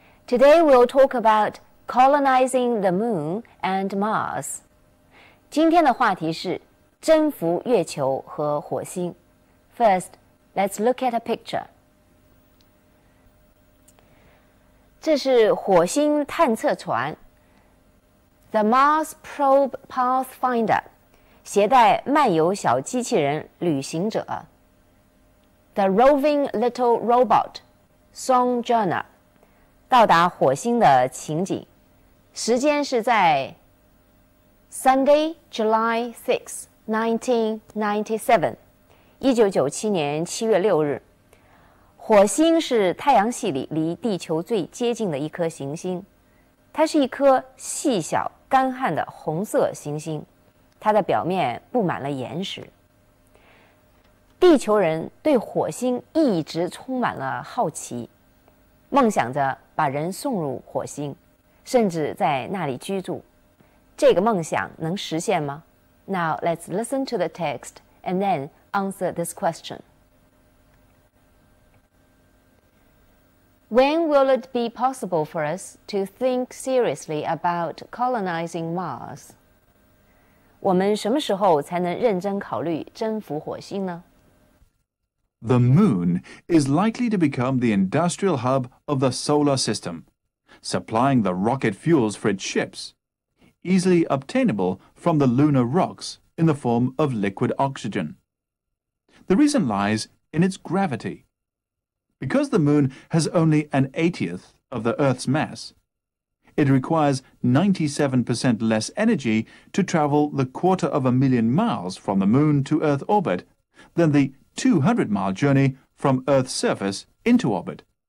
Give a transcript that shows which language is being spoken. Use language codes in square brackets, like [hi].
[en] Today, we'll talk about colonizing the moon and Mars. [zh] 今天的话题是征服月球和火星。 [en] First, let's look at a picture. [zh] 这是火星探测船。 [en] The Mars Probe Pathfinder, [zh] 携带漫游小机器人旅行者。 [en] The Roving Little Robot, Sojourner, [zh] 到达火星的情景。时间是在 [en] Sunday, July 6, 1997, [zh] 1997年7月6日。火星是太阳系里离地球最接近的一颗行星。它是一颗细小干旱的红色行星，它的表面布满了岩石。地球人对火星一直充满了好奇，梦想着把人送入火星，甚至在那里居住。这个梦想能实现吗？ [en] Now let's listen to the text and then answer this question. When will it be possible for us to think seriously about colonizing Mars? [zh] 我们什么时候才能认真考虑征服火星呢？ [en] The moon is likely to become the industrial hub of the solar system, supplying the rocket fuels for its ships, easily obtainable from the lunar rocks in the form of liquid oxygen. The reason lies in its gravity. Because the moon has only an 1/80th of the Earth's mass, it requires 97% less energy to travel the 250,000 miles from the moon to Earth orbit than the 200-mile journey from Earth's surface into orbit.